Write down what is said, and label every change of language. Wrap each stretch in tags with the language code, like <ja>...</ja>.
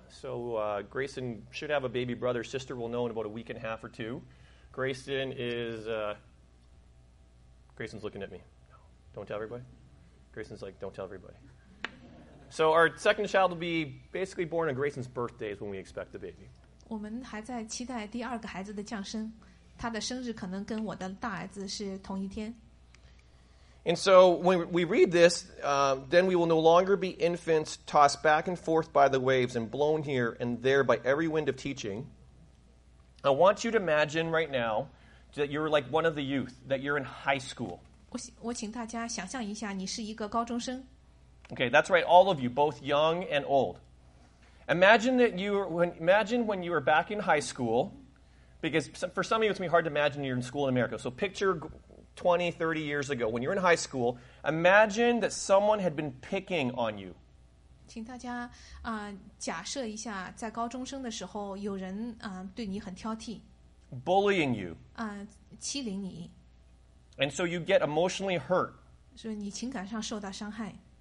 <en>So Grayson should have a baby brother or sister. We'll know in about a week and a half or two. Grayson is, Grayson's looking at me. Don't tell everybody. Grayson's like, don't tell everybody. So our second child will be basically born on Grayson's birthday is when we expect the baby.</en> <zh>我们还在期待第二个孩子的降生，他的生日可能跟我的大儿子是同一天。</zh> <en>And so when we read this, then we will no longer be infants tossed back and forth by the waves and blown here and there by every wind of teaching. I want you to imagine right now that you're like one of the youth, that you're in high school.</en> <zh>我请大家想象一下你是一个高中生。</zh> <en>Okay, that's right, all of you, both young and old. Imagine when you were back in high school, because for some of you it's going to be hard to imagine you're in school in America, so picture 20, 30 years ago, when you're in high school, imagine that someone had been picking on you.</en> <zh>请大家, 假设一下,在高中生的时候,有人, 对你很挑剔,</zh> <en>bullying you.</en> <zh>欺凌你,</zh> <en>and so you get emotionally hurt.</en> <zh>所以你情感上受到伤害。</zh>